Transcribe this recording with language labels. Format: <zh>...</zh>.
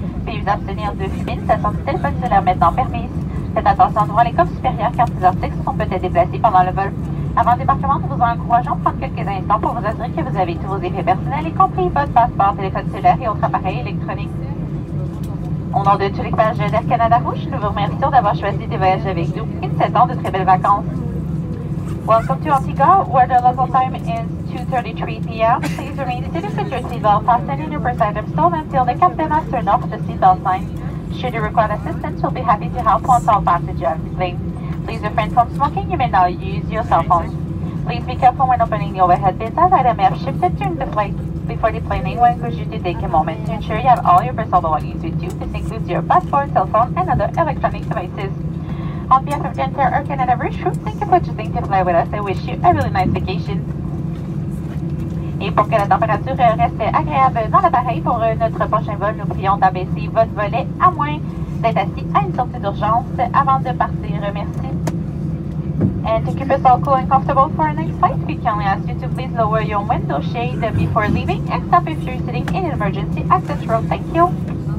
<fr>Veuillez vous abstenir de fumer, ça sent le téléphone cellulaire maintenant permis. Faites attention devant les coques supérieures car ces articles se sont peut-être déplacés pendant le vol. Avant le débarquement, nous vous encourageons de prendre quelques instants pour vous assurer que vous avez tous vos effets personnels, y compris votre passeport, téléphone cellulaire et autres appareils électroniques. Au nom de tout l'équipage d'Air Canada Rouge, nous vous remercions d'avoir choisi de voyager avec nous et nous souhaitons de très belles vacances.</fr> <en>Welcome to Antigua, where the local time is 2:33 p.m. Please remain seated with your seatbelt fastened and your purse item stowed until the captain has turned off the seatbelt sign. Should you require assistance, we'll be happy to help once all passengers leave. Please refrain from smoking. You may now use your cell phone. Please be careful when opening the overhead bins as items may have shifted during the flight. Before deplaning, we encourage you to take a moment to ensure you have all your personal belongings with you. This includes your passport, cell phone, and other electronic devices. On behalf of Air Canada Rouge, thank you for choosing to fly with us. I wish you a really nice vacation.</en> <fr>Et pour que la température reste agréable dans l'appareil pour notre prochain vol, nous prions d'abaisser votre volet à moins d'être assis à une sortie d'urgence avant de partir. Merci.</fr> <en>And to keep us all cool and comfortable for our next flight, we kindly ask you to please lower your window shade before leaving, except if you're sitting in an emergency access room. Thank you.</en>